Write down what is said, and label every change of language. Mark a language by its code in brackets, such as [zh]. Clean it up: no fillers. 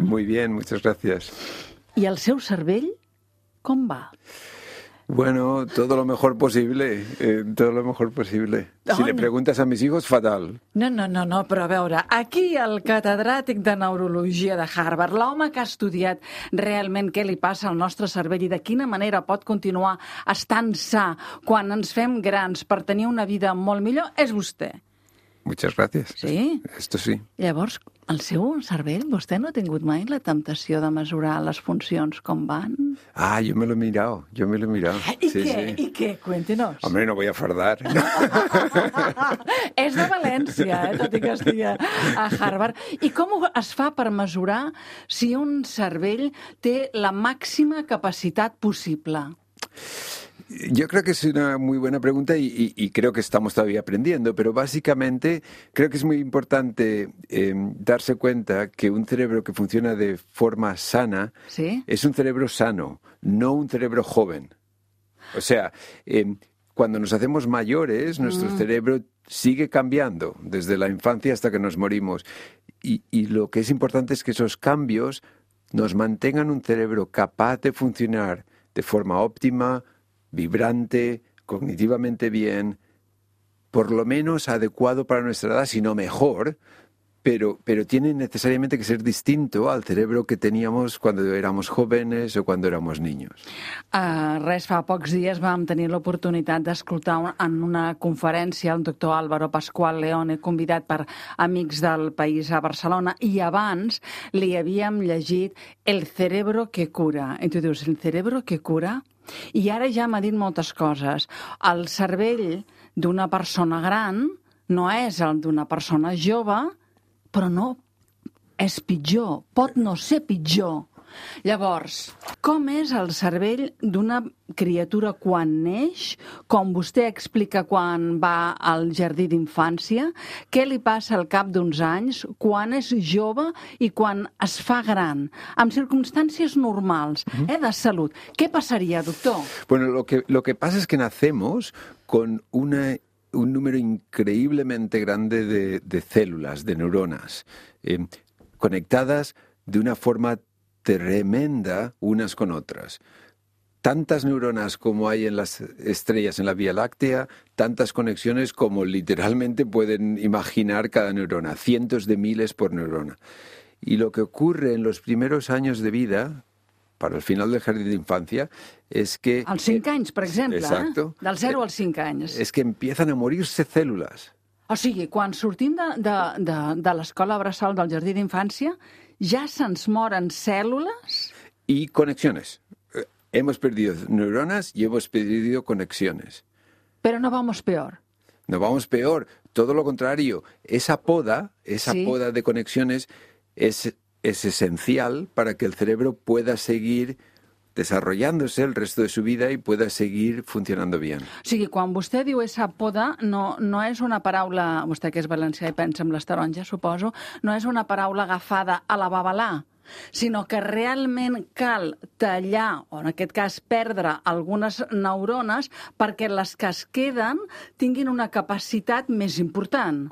[es] Muy bien, muchas gracias. [ca] I el seu cervell, com va? [es] Bueno, todo lo mejor posible, todo lo mejor posible. Si le preguntas a mis hijos, fatal. [ca] No, però a veure, aquí el catedràtic de neurologia de Harvard, l'home que ha estudiat realment què li passa al nostre cervell i de quina manera pot continuar estant sa quan ens fem grans per tenir una vida molt millor, és vostè. [es] Muchas gracias. Sí? Esto sí. [ca] Llavors, el seu cervell, vostè no ha tingut mai la temptació de mesurar les funcions com van? [es] Ah, yo me lo he mirado. ¿Y qué? Cuéntenos. Hombre, no voy a fardar. [ca] És de València, tot i que estigui a Harvard. I com es fa per mesurar si un cervell té la màxima capacitat possible? [es] Yo creo que es una muy buena pregunta y creo que estamos todavía aprendiendo, pero básicamente creo que es muy importante darse cuenta que un cerebro que funciona de forma sana ¿sí? es un cerebro sano, no un cerebro joven. O sea, cuando nos hacemos mayores, nuestro cerebro sigue cambiando desde la infancia hasta que nos morimos. Y lo que es importante es que esos cambios nos mantengan un cerebro capaz de funcionar de forma óptima, vibrante, cognitivamente bien, por lo menos adecuado para nuestra edad, si no mejor, pero tiene necesariamente que ser distinto al cerebro que teníamos cuando éramos jóvenes o cuando éramos niños. [ca] Res, fa pocs dies vam tenir l'oportunitat d'escoltar en una conferència el doctor Álvaro Pascual Leone, convidat per Amics del País a Barcelona, i abans li havíem llegit El cerebro que cura. I tu dius, El cerebro que cura? I ara ja m'ha dit moltes coses. El cervell d'una persona gran no és el d'una persona jove, però no és pitjor, pot no ser pitjor. Llavors, com és el cervell d'una criatura quan neix, com vostè explica quan va al jardí d'infància? Què li passa al cap d'uns anys, quan és jove i quan es fa gran? Amb circumstàncies normals, de salut. Què passaria, doctor? [es] Bueno, lo que pasa es que nacemos con un número increíblemente grande de células, de neuronas, conectadas de una forma tremenda unas con otras. Tantas neuronas como hay en las estrellas en la Vía Láctea, tantas conexiones como literalmente pueden imaginar cada neurona, cientos de miles por neurona. Y lo que ocurre en los primeros años de vida, para el final del jardín de infancia, es que... [ca] Als 5 anys, per exemple. [es] Exacto. [ca] Del 0 als 5 anys. [es] Es que empiezan a morirse células. [ca] O sigui, quan sortim de l'escola bressol del jardí d'infància, ja se'ns moren cèl·lules... I connexions. [es] Hemos perdido neuronas y hemos perdido conexiones. Però no vamos peor. No vamos peor. Todo lo contrario. Esa poda de conexiones es esencial para que el cerebro pueda seguir desarrollándose el resto de su vida y pueda seguir funcionando bien. [ca] O sigui, quan vostè diu [es] esa poda, [ca] no és una paraula, vostè que és valencià i pensa en les taronges, suposo, no és una paraula agafada a la babalà, sinó que realment cal tallar, o en aquest cas perdre, algunes neurones perquè les que es queden tinguin una capacitat més important.